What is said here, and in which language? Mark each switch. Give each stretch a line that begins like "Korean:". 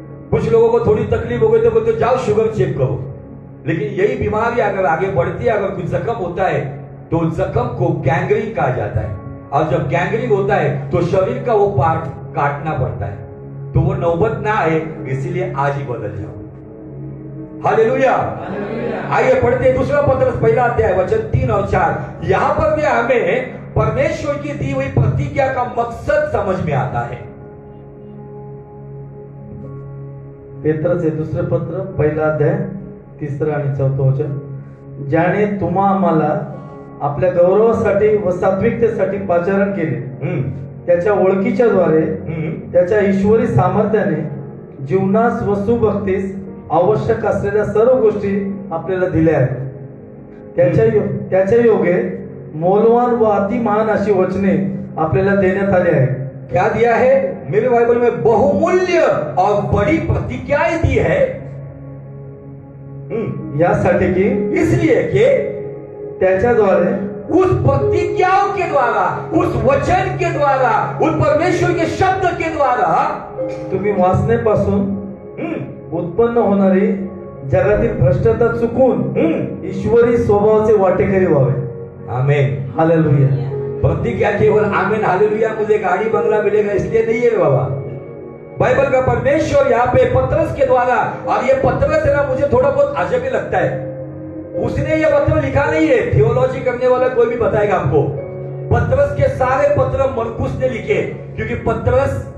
Hindi: कुछ लोगों को थोड़ी तकलीफ हो गई तो बोलते जाओ शुगर चेक करो, लेकिन यही बीमारी अगर आगे बढ़ती है, अगर कोई जख्म होता है तो जख्म को गैंग्रीन कहा जाता है, और जब गैंग्रीन होता है तो शरीर का वो पार्ट काटना पड़ता है, तो वो नौबत ना आए इसीलिए आज ही बदल जाओ। हालेलुया। आइए पढ़ते दूसरा पत्रस पहला अध्याय वचन 3 और 4। यहां पर भी हमें परमेश्वर की दी हुई प्रतिज्ञा का मकसद समझ में आता है।
Marathi: पत्रस दूसरे पत्र पहला अध्याय 3 आणि 4 वचन, ज्याने तुम्हा आम्हाला आपल्या गौरवासाठी व सात्विकतेसाठी पाचारण केले, त्याच्या ओळखीच्या द्वारे त्याच्या ईश्वरी सामर्थ्याने जीवनास व सुभक्तीस आवश्यक असलेल्या सर्व गोष्टी आपल्याला दिल्या आहेत, त्याच्या योगे मौलवान व अतिमान अशी वचने आपल्याला देण्यात आली आहे।
Hindi: क्या दिया है? मेरे बाइबल में बहुमूल्य और बड़ी प्रतिज्ञा दी है, या सटीकी इसलिए कि
Marathi: त्याच्या द्वारे
Hindi: उस प्रतिज्ञाओं के द्वारा, उस वचन के द्वारा, उस परमेश्वर के शब्द के द्वारा
Marathi: तुम्ही वासने पासून उत्पन्न होणारी जगातील भ्रष्टता चुकून ईश्वरी स्वभावाचे वाटेकरी व्हावे। आमेन। हालेलुया।
Hindi: प्रतिज्ञा केवल आमेन हालेलुया मुझे गाड़ी बंगला मिलेगा इसलिए नहीं है बाबा। बाइबल का परमेश्वर यहाँ पे पत्रस के द्वारा, और ये पत्रस है ना, मुझे थोड़ा बहुत अजब ही लगता है, उसने ये पत्र लिखा नहीं है, थियोलॉजी करने वाला कोई भी बताएगा आपको, पत्रस के सारे पत्र मरकुस ने लिखे, क्योंकि पत्रस